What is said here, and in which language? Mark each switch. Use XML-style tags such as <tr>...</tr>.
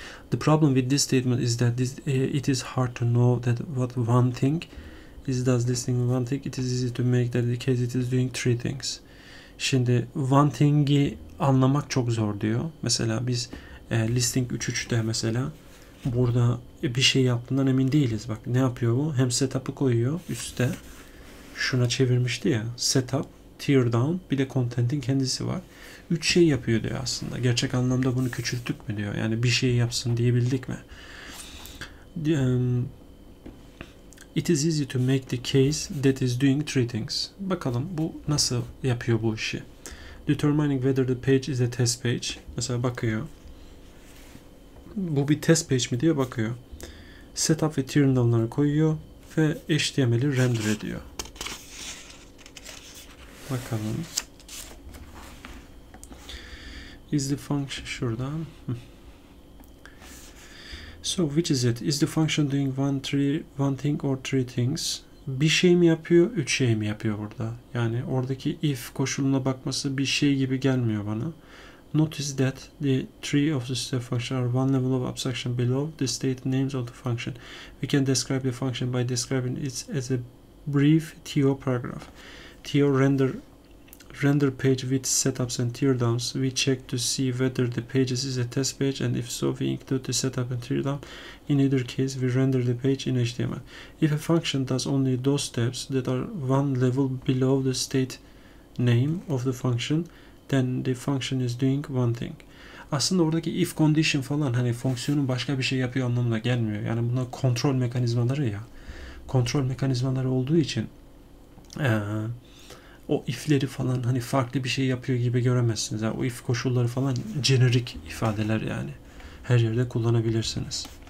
<en>The problem with this statement is that it is hard to know that what one thing is does this thing one thing it is easy to make that the case it is doing three things.</en> <tr>Şimdi one thing'i anlamak çok zor diyor. Mesela biz listing 3-3'te mesela burada bir şey yaptığından emin değiliz. Bak ne yapıyor bu? Hem setup'ı koyuyor üstte. Şuna çevirmişti ya. Setup, tear down, bir de content'in kendisi var. Üç şey yapıyor diyor aslında. Gerçek anlamda bunu küçülttük mü diyor. Yani bir şey yapsın diyebildik mi?</tr> <en>It is easy to make the case that is doing three things.</en> <tr>Bakalım bu nasıl yapıyor bu işi?</tr> <en>Determining whether the page is a test page.</en> <tr>Mesela bakıyor. Bu bir test page mi diye bakıyor. Setup ve tear down'ları koyuyor ve HTML'i render ediyor. Bakalım.</tr> <en>Is the function şuradan. So which is it? Is the function doing one thing or three things?</en> <tr>Bir şey mi yapıyor, üç şey mi yapıyor burada? Yani oradaki if koşuluna bakması bir şey gibi gelmiyor bana.</tr> <en>Notice that the three of the step functions are one level of abstraction below the state names of the function. We can describe the function by describing it as a brief TO paragraph. TO render page with setups and teardowns. We check to see whether the pages is a test page and if so we include the setup and teardown. In either case we render the page in HTML. If a function does only those steps that are one level below the state name of the function, then the function is doing one thing.</en> <tr>Aslında oradaki if condition falan hani fonksiyonun başka bir şey yapıyor anlamına gelmiyor. Yani bunlar kontrol mekanizmaları ya. Kontrol mekanizmaları olduğu için o if'leri falan hani farklı bir şey yapıyor gibi göremezsiniz. Yani o if koşulları falan jenerik ifadeler yani. Her yerde kullanabilirsiniz.</tr>